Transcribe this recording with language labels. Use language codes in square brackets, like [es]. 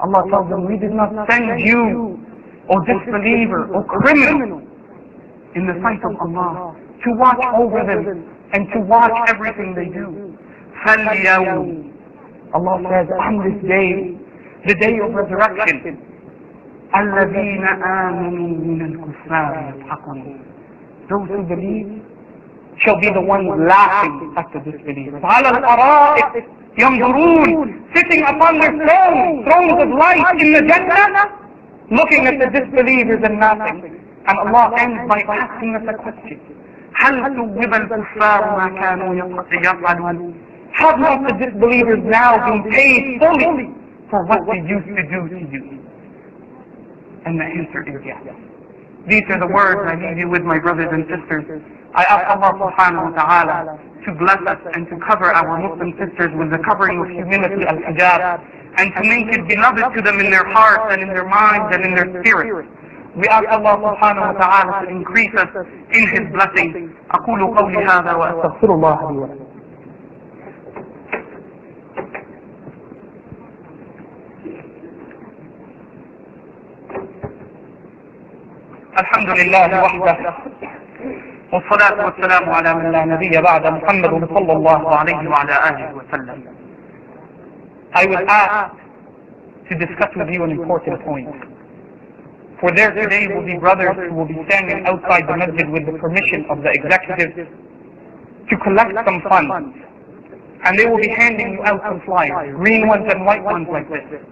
[en] Allah tells them, we did not send you, O disbeliever, O criminal, in the sight of Allah, to watch over them and to watch everything they do. [ar] فَالْيَوْمِ. [en] Allah says, on this day, the day of resurrection, [ar] الذين آمنوا من الكفار يضحكون. [en] Those who believe shall be the ones laughing at the disbelief. [ar] على الأرائك ينظرون, [en] sitting upon their thrones of light in the Jannah, looking at the disbelievers and laughing. And Allah ends by asking us a question. [ar] هل ثوب الكفار ما كانوا يفعلون. [en] Have not the disbelievers now been paid fully for what they used to do to you? And the answer is yes. These are the words I leave you with, my brothers and sisters. I ask Allah subhanahu wa ta'ala to bless us and to cover our Muslim sisters with the covering of humility, al-hijab, and to make it beloved to them in their hearts and in their minds and in their spirits. We ask Allah subhanahu wa ta'ala to increase us in His blessing. [ar] أقول قولي هذا وأستغفر الله لي ولكم. الحمد لله وحده والصلاة والسلام على من لا نبي بعد محمد صلى الله عليه وعلى آله وسلم. [en] I was asked to discuss with you an important point. For there today will be brothers who will be standing outside the masjid with the permission of the executive to collect some funds. And they will be handing you out some flyers, green ones and white ones like this.